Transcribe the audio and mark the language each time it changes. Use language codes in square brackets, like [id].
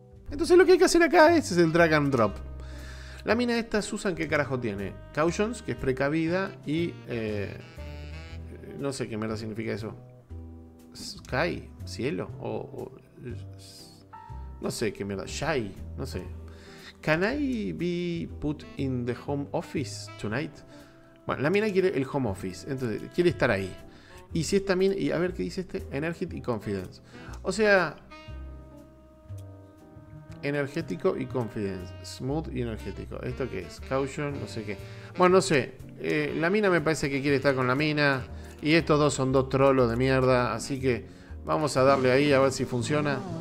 [es] Entonces lo que hay que hacer acá es el drag and drop. La mina esta, Susan, ¿qué carajo tiene? Cautions, que es precavida, y no sé qué mierda significa eso. Sky, cielo, o no sé qué mierda, shy, no sé. [en] Can I be put in the home office tonight? [es] Bueno, la mina quiere el home office, entonces quiere estar ahí. Y si es también, y a ver qué dice este, energetic y confidence. O sea, energético y confidence, smooth y energético. ¿Esto qué es? Caution, no sé qué. Bueno, no sé. La mina me parece que quiere estar con la mina y estos dos son dos trolos de mierda, así que vamos a darle ahí a ver si funciona.